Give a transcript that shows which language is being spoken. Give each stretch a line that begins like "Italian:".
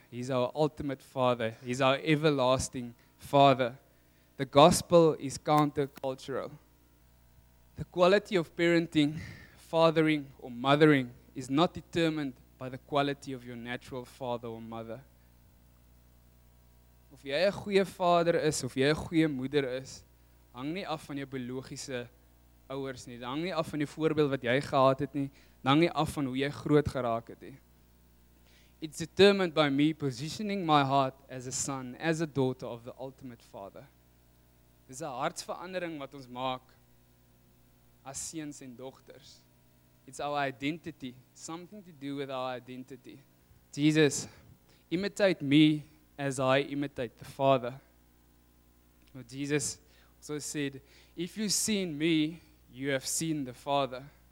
English: He's our ultimate father. He's our everlasting father. The gospel is countercultural. The quality of parenting, fathering or mothering is not determined by the quality of your natural father or mother.
Afrikaans: Of jy 'n goeie vader is of jy 'n goeie moeder is, hang nie af van jou biologiese ouers nie. Dit hang nie af van die voorbeeld wat jy gehad het nie. Hang nie af van hoe jy groot geraak het nie.
English: It's determined by me positioning my heart as a son, as a daughter of the ultimate father.
Afrikaans: Dis 'n hartsverandering wat ons maak as seuns en dogters.
English: It's our identity, something to do with our identity. Jesus, imitate me as I imitate the Father. Well, Jesus also said, if you've seen me, you have seen the Father.